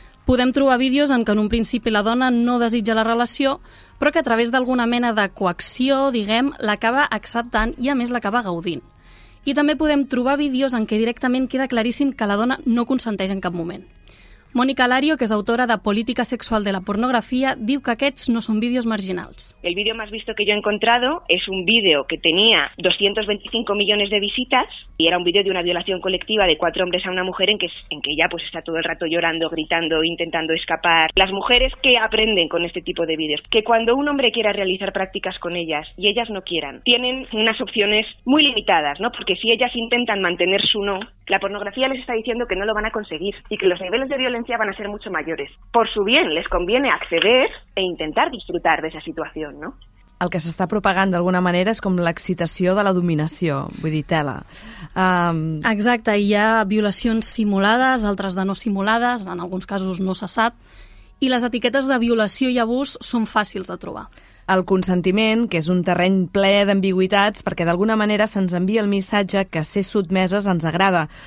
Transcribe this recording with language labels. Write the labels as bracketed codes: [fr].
[ca] Podem trobar vídeos en què en un principi la dona no desitja la relació, però que a través d'alguna mena de coacció, diguem, l'acaba acceptant i a més l'acaba gaudint. I també podem trobar vídeos en què directament queda claríssim que la dona no consenteix en cap moment. Mónica Lario, que és autora de Política sexual de la pornografia, diu que aquests no són vídeos marginals. [es] El vídeo más visto que yo he encontrado es un vídeo que tenía 225 millones de visitas y era un vídeo de una violación colectiva de cuatro hombres a una mujer en que ella pues está todo el rato llorando, gritando, intentando escapar. Las mujeres, ¿qué aprenden con este tipo de vídeos? Que cuando un hombre quiera realizar prácticas con ellas y ellas no quieran, tienen unas opciones muy limitadas, ¿no? Porque si ellas intentan mantener su no, la pornografía les está diciendo que no lo van a conseguir y que los niveles de violencia van a ser mucho mayores. Por su bien, les conviene acceder e intentar disfrutar de esa situación, ¿no? [ca] El que s'està propagant d'alguna manera és com l'excitació de la dominació, vull dir, tela. Exacte, hi ha violacions simulades, altres de no simulades, en alguns casos no se sap, i les etiquetes de violació i abús són fàcils de trobar. El consentiment, que és un terreny ple d'ambigüitats, perquè d'alguna manera se'ns envia el missatge que ser sotmeses ens agrada.